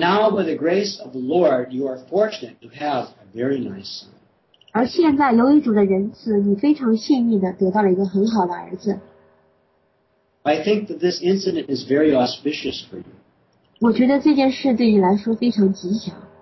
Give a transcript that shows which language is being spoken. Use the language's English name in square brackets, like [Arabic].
[English] by the grace of the Lord, you are fortunate to have a very nice son. [Chinese] 而现在，由于主的仁慈，你非常幸运地得到了一个很好的儿子。 [English] I think that this incident is very auspicious for you. [Chinese] 我觉得这件事对你来说非常吉祥。